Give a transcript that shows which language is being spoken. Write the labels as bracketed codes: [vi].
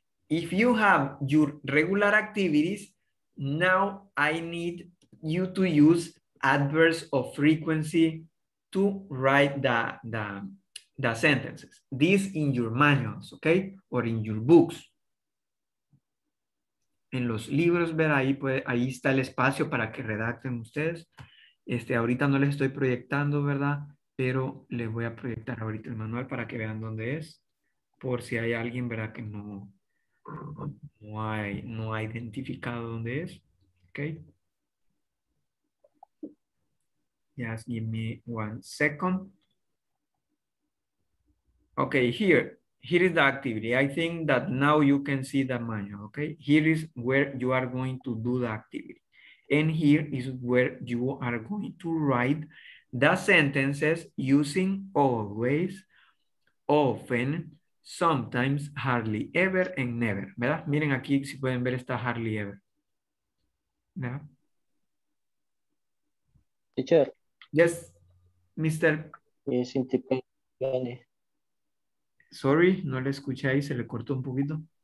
[en] If you have your regular activities, now I need you to use adverbs of frequency to write the sentences. This in your manuals, okay? Or in your books. [es] En los libros, ver ahí, puede, ahí está el espacio para que redacten ustedes. Este, ahorita no les estoy proyectando, ¿verdad? Pero les voy a proyectar ahorita el manual para que vean dónde es. Por si hay alguien, ¿verdad?, que no... No ha identificado dónde es. Okay. [en] Just give me one second. Okay, here is the activity. I think that now you can see the manual. Okay, here is where you are going to do the activity. And here is where you are going to write the sentences using always, often, sometimes, hardly ever, and never, ¿verdad? [es] Miren aquí si pueden ver esta hardly ever, ¿verdad? [en] Teacher. Yes, mister. [es] Es independiente. Sorry, no le escuché ahí, se le cortó un poquito.